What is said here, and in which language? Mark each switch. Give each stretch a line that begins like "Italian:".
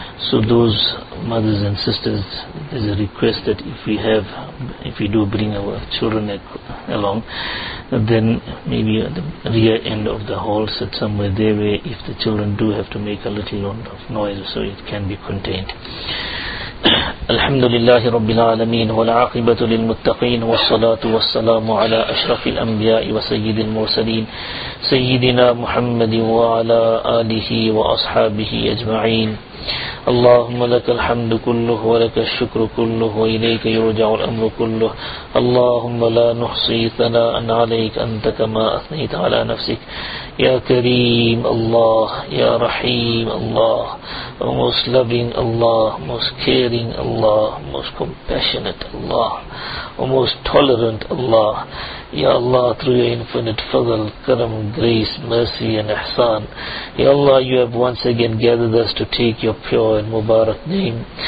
English: So those mothers and sisters, there's a request that if we do bring our children along, then maybe at the rear end of the hall, sit somewhere there where if the children do have to make a little lot of noise, so it can be contained.
Arabic: الحمد لله رب العالمين والعاقبة للمتقين والصلاة والسلام على أشرف الأنبياء وسيد المرسلين سيدنا محمد وعلى آله وأصحابه أجمعين. اللهم لك الحمد كله ولك الشكر كله وإليك يرجع الأمر كله. اللهم لا نحصي ثناء عليك، أنت كما أثنيت على نفسك. يا كريم الله، يا رحيم الله،
English: most loving Allah, most caring Allah, most compassionate Allah, most tolerant Allah. Ya Allah, through your infinite fadl, karam, grace, mercy and ihsan, Ya Allah, you have once again gathered us to take your pure and mubarak name.